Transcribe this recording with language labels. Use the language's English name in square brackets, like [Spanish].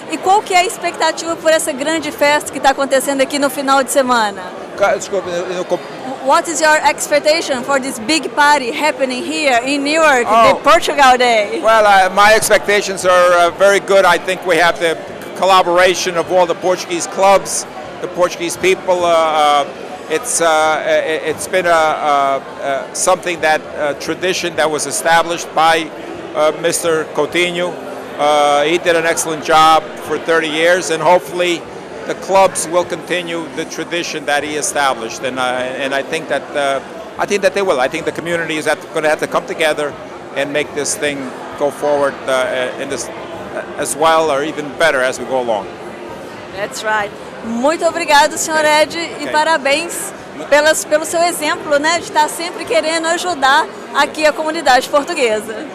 [Portuguese] E qual que é a expectativa por essa grande festa que está acontecendo aqui no final de semana? Desculpa, [English] What is your expectation for this big party happening here in New York, the Portugal Day? Well, my expectations are very good. I think we have the collaboration of all the Portuguese clubs, the Portuguese people. It's been something that tradition that was established by Mr. Coutinho. He did an excellent job for 30 years, and hopefully the clubs will continue the tradition that he established. And I think that they will. I think the community is going to have to come together and make this thing go forward as well or even better as we go along. That's right. [Portuguese] Muito obrigado, senhor Ed, e parabéns pelo seu exemplo, né, de estar sempre querendo ajudar aqui a comunidade portuguesa.